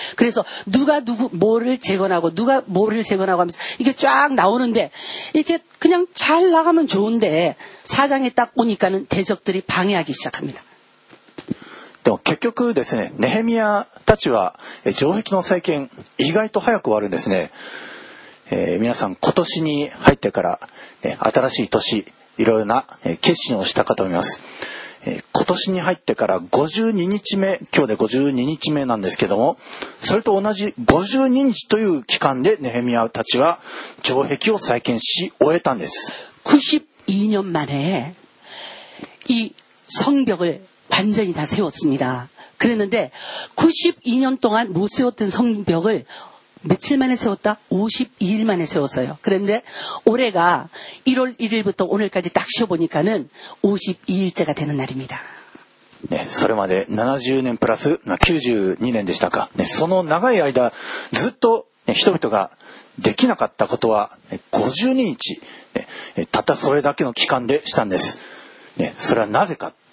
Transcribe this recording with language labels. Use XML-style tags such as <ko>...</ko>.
<ko>그래서 누가 누구 뭐를 재건하고 누가 뭐를 재건하고 하면서 이게 쫙 나오는데 이렇게 그냥 잘 나가면 좋은데 사장이 딱 오니까는 대적들이 방해하기 시작합니다. 결국</ko> <ja>ですね、 ネヘミヤたちは城壁の再建意外と早く終わるんですね。皆さん今年に入ってから新しい年いろいろな決心をしたかと思います。今年に入ってから52日目、 今日で52日目なんですけども、 それと同じ52日という期間でネヘミヤたちは城壁を再建し終えたんです。</ja> <ko>92년 만에 이 성벽을 완전히 다 세웠습니다. 그랬는데 92년 동안 못 세웠던 성벽을 며칠 만에 세웠다? 52일 만에 세웠어요. 그런데 올해가 1월 1일부터 오늘까지 딱 쉬어보니까는 52일째가 되는 날입니다. 네,</ko> <ja>それまで</ja> <ko>70년 플러스 92년</ko> <ja>でしたか? 네, その長い間ずっと人々ができなかったことは 52日 네, たったそれだけの期間でしたんです。네, それはなぜか?</ja>